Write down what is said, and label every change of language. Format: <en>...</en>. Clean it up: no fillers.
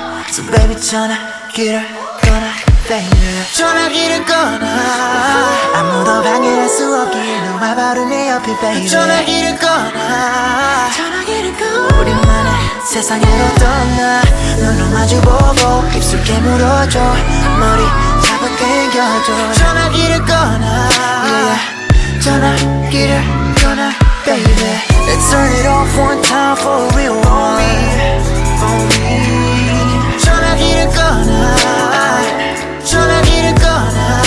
<en>So baby,</en> <ko>전화기를 꺼놔, baby. 전화기를 꺼놔. 아무도 방해할 수 없게 너와 바로 내 옆에, baby. 전화기를 꺼놔. 우리만의 세상으로 떠나 눈을 마주보고 깊숙이 물어줘 머리 잡아 당겨줘 전화기를 꺼놔 yeah. 전화기를 꺼놔 baby</ko> <en>Let's turn it off one time for real one for me</en> <ko>전화기를 꺼놔 전화기를 꺼놔</ko>